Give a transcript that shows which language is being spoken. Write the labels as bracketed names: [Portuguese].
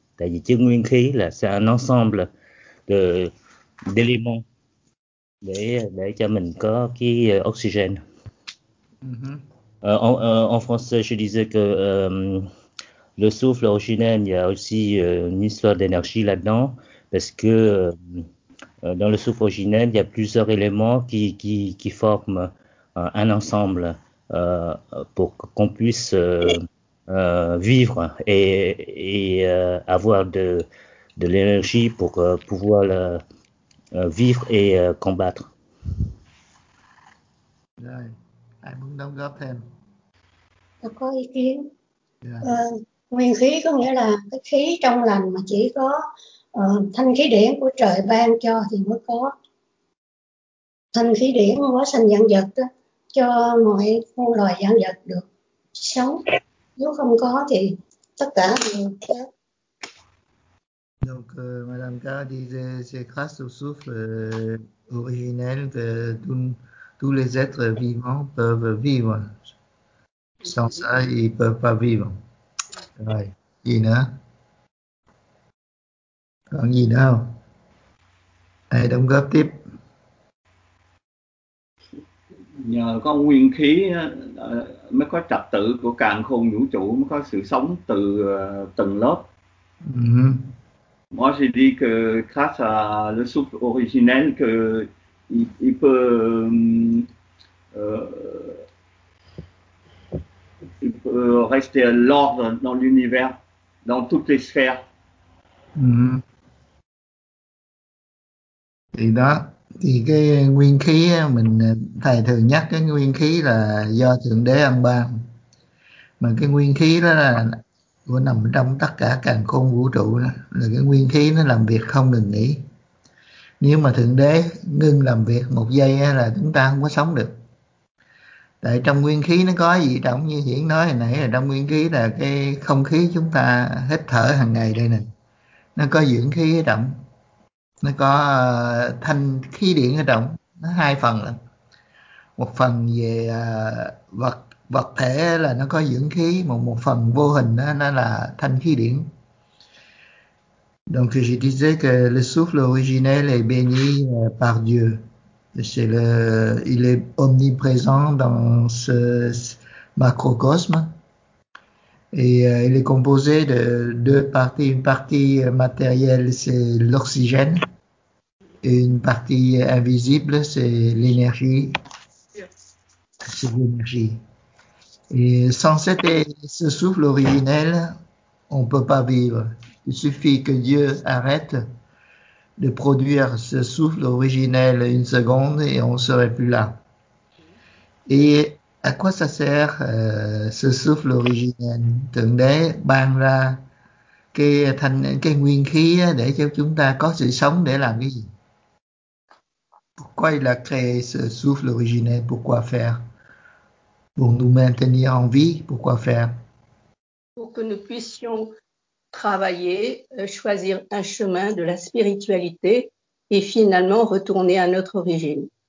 [Vietnamese] Tại vì chữ nguyên khí là sẽ nó [French] ensemble de d'éléments [Vietnamese] để cho mình có cái oxygen. [French] En français, je disais que le souffle originel, il y a aussi une histoire d'énergie là-dedans, parce que dans le souffle originel, il y a plusieurs éléments qui forment un ensemble pour qu'on puisse vivre et avoir de l'énergie pour pouvoir vivre et combattre. [Vietnamese] Rồi, ai muốn đóng góp thêm? Tôi có ý kiến. Yeah. Nguyên khí có nghĩa là cái khí trong lành mà chỉ có thanh khí điển của trời ban cho thì mới có. Thanh khí điển hóa sanh vạn vật đó, cho mọi muôn loài vạn vật được sống. Nếu không có thì tất cả đều chết. [French] Donc, Madame K dit que c'est grâce au souffle originel que tous les êtres vivants peuvent vivre. Sans ça, ils ne peuvent pas vivre. [Vietnamese] Rồi, gì nữa? Còn gì nữa không? Ai đóng góp tiếp? Nhờ có nguyên khí mới có trật tự của càn khôn vũ trụ, mới có sự sống từ từng lớp. [French] Moi, j'ai dit que grâce à le souffle originel, que il peut rester l'ordre dans l'univers, dans toutes les sphères. [Vietnamese] Thì đó, thì cái nguyên khí mình thầy thường nhắc cái nguyên khí là do Thượng Đế ăn ban, mà cái nguyên khí đó là của nằm trong tất cả càn khôn vũ trụ đó, là cái nguyên khí nó làm việc không ngừng nghỉ. Nếu mà Thượng Đế ngưng làm việc một giây là chúng ta không có sống được, tại trong nguyên khí nó có gì trọng như Hiển nói hồi nãy, là trong nguyên khí là cái không khí chúng ta hít thở hàng ngày đây nè, nó có dưỡng khí ở trong, nó có thanh khí điển ở trong, nó hai phần lận. Một phần về vật vật thể là nó có dưỡng khí, một một phần vô hình đó, nó là thanh khí điển. [French] Donc, je disais que le souffle originel est béni par Dieu. C'est le, il est omniprésent dans ce macrocosme. Et il est composé de deux parties. Une partie matérielle, c'est l'oxygène. Et une partie invisible, c'est l'énergie. C'est l'énergie. Et sans ce souffle originel, on ne peut pas vivre. Il suffit que Dieu arrête de produire ce souffle originel une seconde et on ne serait plus là. Et à quoi ça sert ce souffle originel? [Vietnamese] Thượng Đế ban ra cái thành cái nguyên khí để cho chúng ta có sự sống để làm cái gì? [French] Pourquoi il a créé ce souffle originel? Pourquoi faire? Pour nous maintenir en vie, pourquoi faire? Pour que nous puissions travailler, choisir un chemin de la spiritualité et finalement retourner à notre origine.